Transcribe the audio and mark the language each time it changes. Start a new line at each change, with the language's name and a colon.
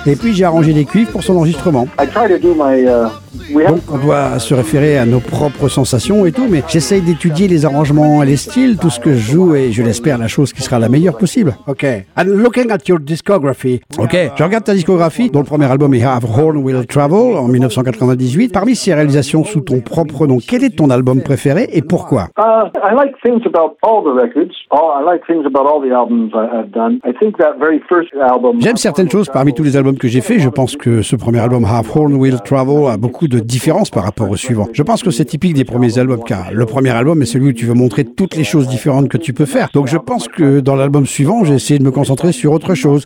French: Et puis j'ai arrangé des cuivres pour son enregistrement. Donc on doit se référer à nos propres sensations et tout, mais j'essaye d'étudier les arrangements et les styles, tout ce que je joue, et je l'espère, la chose qui sera la meilleure possible.
English: Ok. And looking at your discography.
French: Ok, je regarde ta discographie, dont le premier album est Have Horn Will Travel, en 1998. Parmi ces réalisations sous ton propre nom, quel est ton album préféré et pourquoi?
English: I like things about all the records. I like things about all the albums I've done. I think that very first album...
French: J'aime certaines choses parmi tous les albums que j'ai fait. Je pense que ce premier album, Have Horn Will Travel, a beaucoup de différence par rapport au suivant. Je pense que c'est typique des premiers albums, car le premier album est celui où tu veux montrer toutes les choses différentes que tu peux faire. Donc je pense que dans l'album suivant, j'ai essayé de me concentrer sur autre chose.